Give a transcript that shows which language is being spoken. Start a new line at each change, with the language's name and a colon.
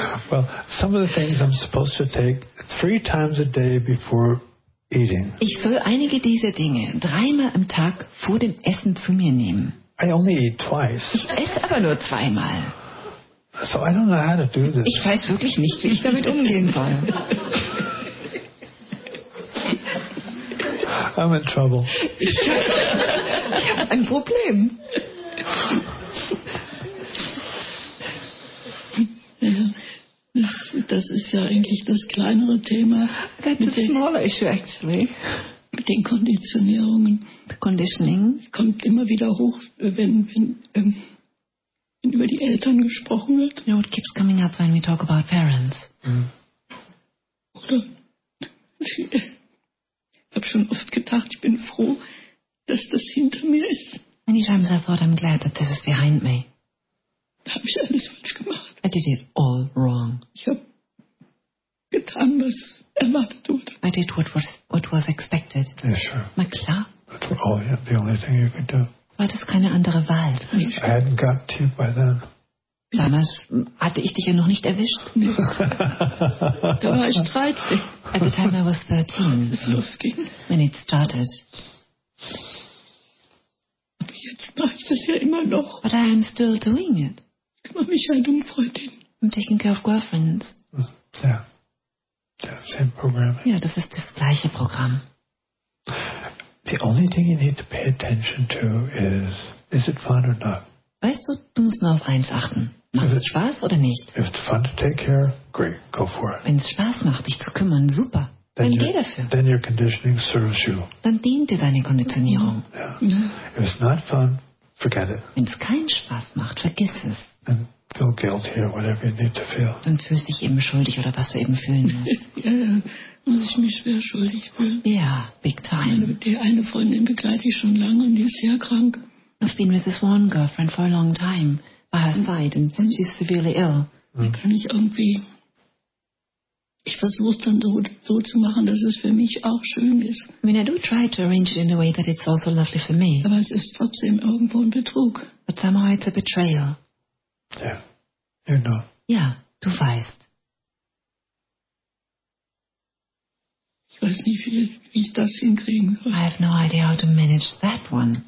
English: Well, some of the things I'm supposed to take 3 times a day before eating.
German: Ich soll einige dieser Dinge 3 Mal am Tag vor dem Essen zu mir nehmen.
English: I only eat twice.
German: Ich esse aber nur 2 Mal.
English: So I don't know how to do this.
German: Ich weiß wirklich nicht, wie ich damit umgehen soll.
English: I'm in trouble.
German: Ich habe ein Problem. Das ist ja eigentlich das kleinere Thema.
English: That's a smaller issue, actually.
German: Mit den Konditionierungen.
English: The conditioning.
German: Kommt immer wieder hoch, wenn über die Eltern gesprochen wird.
English: You know, it keeps coming up when we talk about parents.
German: Mm. Oder? Ich habe schon oft gedacht, ich bin froh, dass das hinter mir ist.
English: Many times I thought I'm glad that this is behind me.
German: Da habe ich alles falsch gemacht.
English: I did it all wrong.
German: Ich habe getan, was erwartet wurde.
English: I did what was expected. Yeah, sure.
German: Na klar.
English: That's all, yeah, the only thing you can do.
German: War das keine andere Wahl?
English: I hadn't got to you by then.
German: Damals hatte ich dich ja noch nicht erwischt. Da war ich 13.
English: At the time I was 13.
German: Es losging.
English: When it started.
German: Jetzt mache ich das ja immer noch.
English: But I am still doing it.
German: Ich kümmere mich halt um Freundin.
English: I'm taking care of girlfriends. Yeah. Same program.
German: Ja, das ist das gleiche Programm.
English: The only thing you need to pay attention to is it fun or not?
German: Weißt du, du musst nur auf eins achten. Macht es Spaß oder nicht?
English: If it's fun to take care, great, go for it.
German: Wenn es Spaß macht, dich zu kümmern, super. Dann geh dafür.
English: Then your conditioning serves you.
German: Dann dient dir deine Konditionierung.
English: Yeah. If it's not fun, forget it.
German: Wenn es keinen Spaß macht, vergiss es.
English: And feel guilty or whatever you need to feel.
German: Dann fühlst dich eben schuldig oder was du eben fühlen musst. Muss ich mich schwer schuldig fühlen.
English: Ja, big time.
German: Die eine Freundin begleite ich schon lange und die ist sehr krank.
English: I've been with this one girlfriend for a long time by her side and she's severely ill.
German: Da kann ich irgendwie... Ich versuche es dann so zu machen, dass es für mich auch schön ist.
English: I mean, I do try to arrange it in a way that it's also lovely for me.
German: Aber es ist trotzdem irgendwo ein Betrug.
English: But somehow it's a betrayal. Yeah, you know.
German: Ja, du weißt. Ich weiß nicht, wie ich das hinkriegen soll.
English: I have no idea how to manage that one.